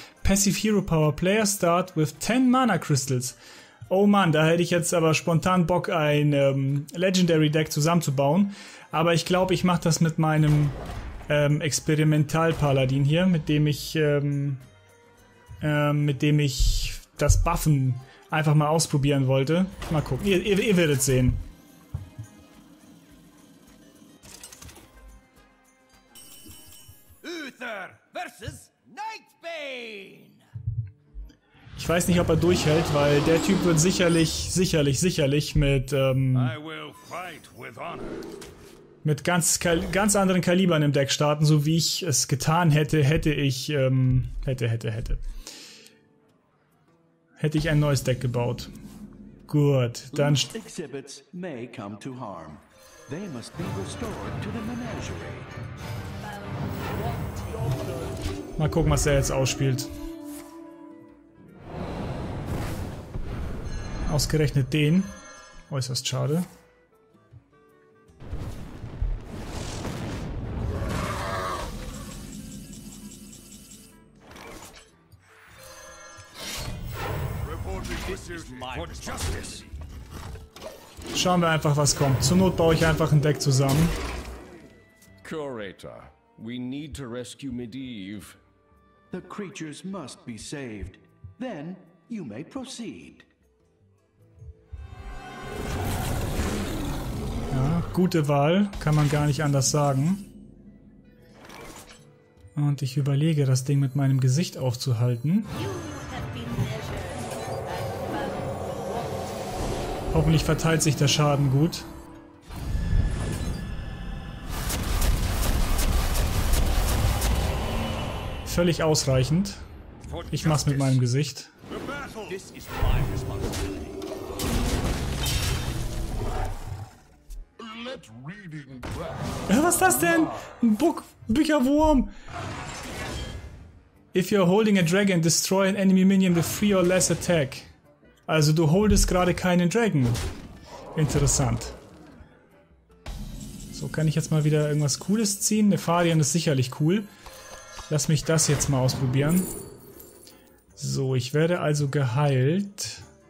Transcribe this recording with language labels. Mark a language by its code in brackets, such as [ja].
[en] Passive Hero Power, Player Start with 10 Mana Crystals. [de] Oh Mann, da hätte ich jetzt aber spontan Bock, ein Legendary Deck zusammenzubauen. Aber ich glaube, ich mache das mit meinem Experimental-Paladin hier, mit dem ich das Buffen einfach mal ausprobieren wollte. Mal gucken. Ihr werdet sehen. Uther versus Nightbane. Ich weiß nicht, ob er durchhält, weil der Typ wird sicherlich mit ganz anderen Kalibern im Deck starten, so wie ich es getan hätte, hätte ich ein neues Deck gebaut. Gut, dann [en] Exhibits may come to harm. They must be restored to the menagerie. [de] Mal gucken, was er jetzt ausspielt. Ausgerechnet den. Äußerst schade. Schauen wir einfach, was kommt. Zur Not baue ich einfach ein Deck zusammen. [en] Curator, we need to rescue Medivh. The creatures must be saved. Then you may proceed. [de] Ja, gute Wahl, kann man gar nicht anders sagen. Und ich überlege, das Ding mit meinem Gesicht aufzuhalten. Hoffentlich verteilt sich der Schaden gut. Völlig ausreichend. Ich mach's mit meinem Gesicht. Was ist das denn? Ein Bücherwurm! [en] If you're holding a dragon, destroy an enemy minion with 3 or less attack. [de] Also du holdest gerade keinen Dragon. Interessant. So, kann ich jetzt mal wieder irgendwas Cooles ziehen? Nefarian ist sicherlich cool. Lass mich das jetzt mal ausprobieren. So, ich werde also geheilt.